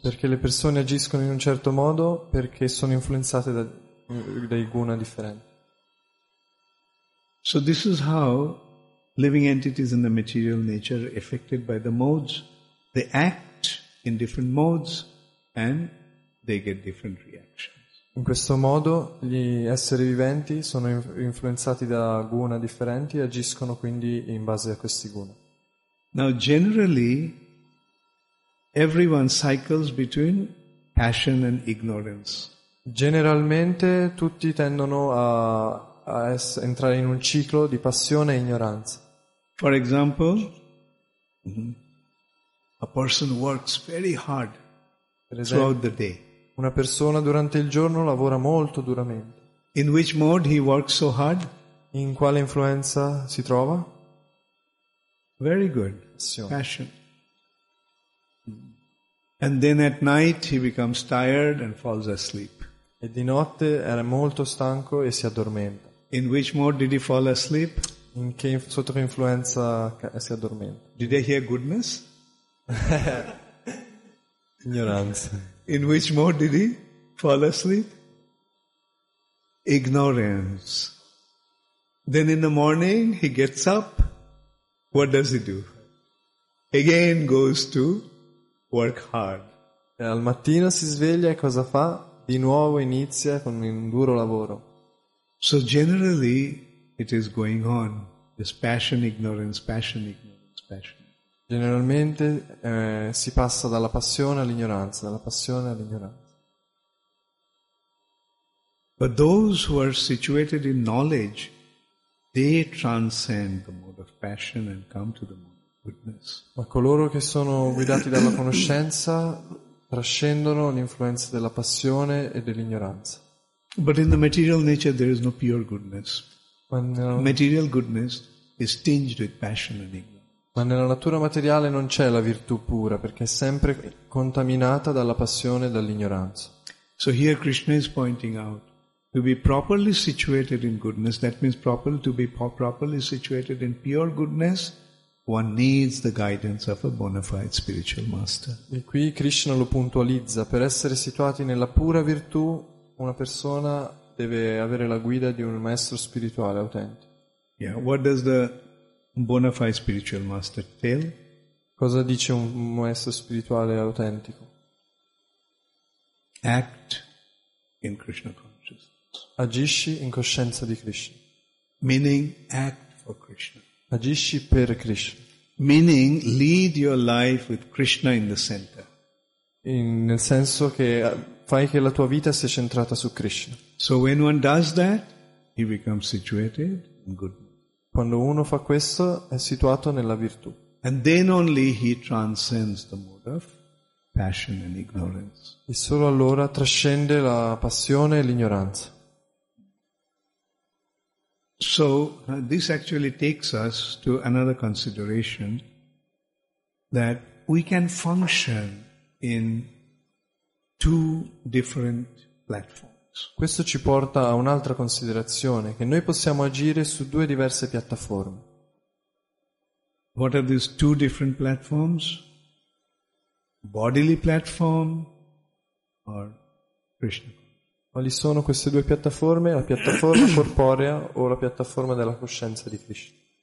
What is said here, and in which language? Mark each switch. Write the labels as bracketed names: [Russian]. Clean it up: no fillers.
[Italian] Perché le persone agiscono in un certo modo perché sono influenzate da guna differente. [English] So this is how living entities in the material nature are affected by the modes. They act in different modes and they get different reactions. [Italian] In questo modo gli esseri viventi sono influenzati da guna differenti e agiscono quindi in base a questi guna. [English] Now generally everyone cycles between passion and ignorance. [Italian] Generalmente tutti tendono a entrare in un ciclo di passione e ignoranza. [English] For example, a person works very hard throughout the day. [Italian] Una persona durante il giorno lavora molto duramente. [English] In which mode he works so hard? [Italian] In quale influenza si trova? [English] Very good. Passion. And then at night he becomes tired and falls asleep. [Italian] E di notte era molto stanco e si addormenta. [English] In which mode did he fall asleep? [Italian] In che sotto che influenza si addormenta? [English] Did he hear goodness? [Italian] Ignoranza. [English] In which mode did he fall asleep? Ignorance. Then in the morning he gets up. What does he do? Again goes to work hard. [Italian] E al mattino si sveglia e cosa fa? Di nuovo inizia con un duro lavoro. [English] So generally it is going on. This passion, ignorance, passion, ignorance, passion. [Italian] Generalmente si passa dalla passione all'ignoranza, dalla passione all'ignoranza. [English] But those who are situated in knowledge, they transcend the mode of passion and come to the mode of goodness. [Italian] Ma coloro che sono guidati dalla conoscenza trascendono l'influenza della passione e dell'ignoranza. [English] But in the material nature there is no pure goodness. Material goodness is tinged with passion and ignorance. [Italian] Ma nella natura materiale non c'è la virtù pura perché è sempre contaminata dalla passione e dall'ignoranza. [English] So here Krishna is pointing out, to be properly situated in goodness, that means properly situated in pure goodness, one needs the guidance of a bona fide spiritual master. [Italian] E qui Krishna lo puntualizza, per essere situati nella pura virtù, una persona deve avere la guida di un maestro spirituale autentico. [English] Yeah, what does the bona fide spiritual master tell? [Italian] Cosa dice un maestro spirituale autentico? [English] Act in Krishna consciousness. [Italian] Agisci in coscienza di Krishna. [English] Meaning, act for Krishna. [Italian] Agisci per Krishna. [English] Meaning, lead your life with Krishna in the center. [Italian] Nel senso che fai che la tua vita sia centrata su Krishna. [English] So when one does that, he becomes situated in goodness. [Italian] Quando uno fa questo, è situato nella virtù. [English] And then only he transcends the mode of passion and ignorance. [Italian] E solo allora trascende la passione e l'ignoranza. [English] So this actually takes us to another consideration that we can function in two different platforms. [Italian] Questo ci porta a un'altra considerazione, che noi possiamo agire su due diverse piattaforme. [English] What are these two different platforms? Bodily platform or Krishna? [Italian] Quali sono queste due piattaforme, la piattaforma corporea o la piattaforma della coscienza di Krishna?